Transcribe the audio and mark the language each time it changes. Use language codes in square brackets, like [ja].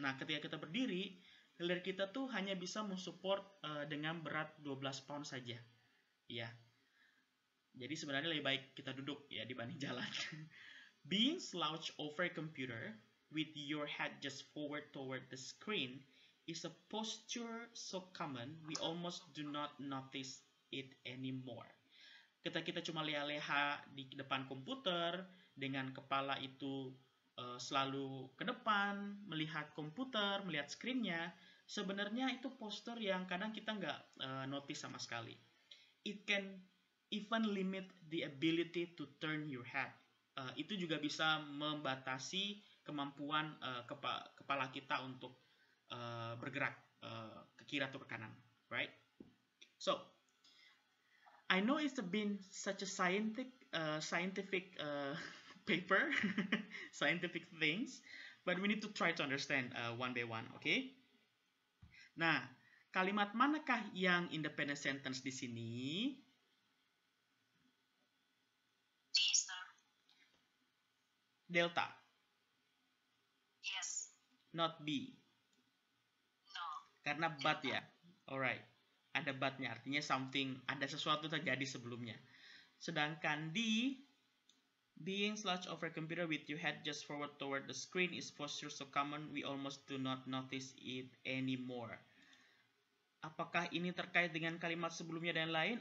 [id] Nah, ketika kita berdiri, leher kita tuh hanya bisa mensupport dengan berat 12 pounds saja. Ya. Yeah. Jadi sebenarnya lebih baik kita duduk ya dibanding jalan. [en] Being slouched over a computer with your head just forward toward the screen is a posture so common we almost do not notice it anymore. [id] Ketika kita cuma leha-leha di depan komputer dengan kepala itu selalu ke depan melihat komputer, melihat screen-nya, sebenarnya itu postur yang kadang kita nggak notice sama sekali. [en] It can even limit the ability to turn your head. [id] Itu juga bisa membatasi kemampuan kepala kita untuk bergerak ke kiri atau ke kanan, right? [en] So, I know it's been such a scientific things, but we need to try to understand one by one, okay? [id] Nah, kalimat manakah yang independent sentence di sini? [en] Delta. Yes. Not B. [id] Karena but ya, alright, ada butnya, artinya something, ada sesuatu terjadi sebelumnya. Sedangkan di, [en] Being slouched over a computer with your head just forward toward the screen is posture so common we almost do not notice it anymore. [id] Apakah ini terkait dengan kalimat sebelumnya dan lain?